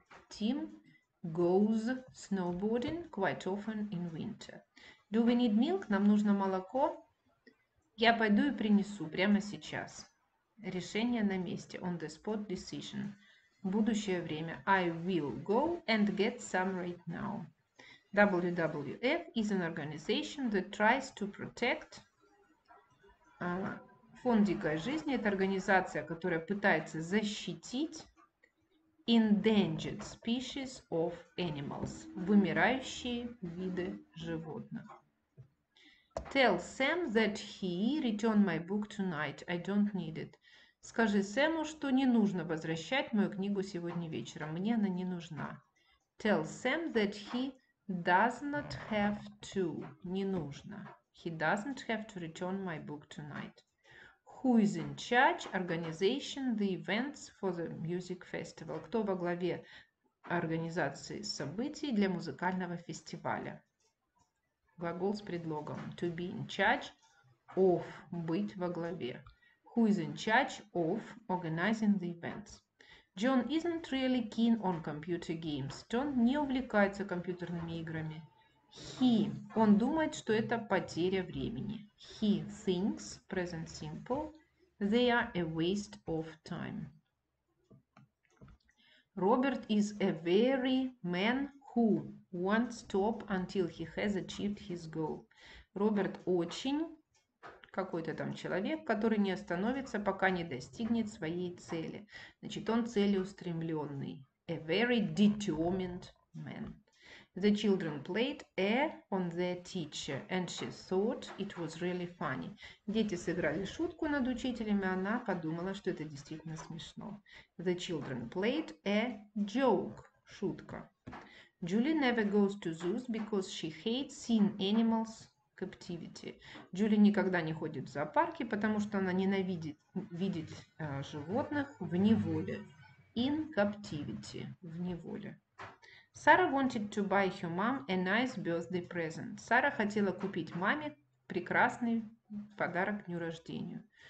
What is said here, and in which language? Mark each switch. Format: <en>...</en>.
<en>Tim goes snowboarding quite often in winter. Do we need milk?</en> <ru>Нам нужно молоко. Я пойду и принесу прямо сейчас. Решение на месте.</ru> <en>On the spot decision.</en> <ru>Будущее время.</ru> <en>I will go and get some right now. WWF is an organization that tries to protect.</en> <ru>Фонд дикой жизни – это организация, которая пытается защитить</ru> <en>endangered species of animals</en> <ru>– вымирающие виды животных.</ru> <en>Tell Sam that he returned my book tonight. I don't need it.</en> <ru>Скажи Сэму, что не нужно возвращать мою книгу сегодня вечером. Мне она не нужна.</ru> <en>Tell Sam that he does not have to.</en> <ru>Не нужно.</ru> <en>He doesn't have to return my book tonight. Who is in charge organization the events for the music festival?</en> <ru>Кто во главе организации событий для музыкального фестиваля? Глагол с предлогом.</ru> <en>To be in charge of.</en> <ru>Быть во главе.</ru> <en>Who is in charge of organizing the events? John isn't really keen on computer games.</en> <ru>John не увлекается компьютерными играми.</ru> <en>He.</en> <ru>Он думает, что это потеря времени.</ru> <en>He thinks, present simple, they are a waste of time. Robert is a very man who won't stop until he has achieved his goal.</en> <ru>Роберт очень... Какой-то там человек, который не остановится, пока не достигнет своей цели. Значит, он целеустремленный.</ru> <en>A very determined man. The children played air on their teacher, and she thought it was really funny.</en> <ru>Дети сыграли шутку над учителем, и она подумала, что это действительно смешно.</ru> <en>The children played a joke.</en> <ru>Шутка.</ru> <en>Julie never goes to zoos because she hates seeing animals. Captivity.</en> <ru>Джули никогда не ходит в зоопарки, потому что она ненавидит видеть животных в неволе.</ru> <en>In captivity.</en> <ru>В неволе.</ru> <en>Sarah wanted to buy her mom a nice birthday present.</en> <ru>Сара хотела купить маме прекрасный подарок к дню рождения.</ru>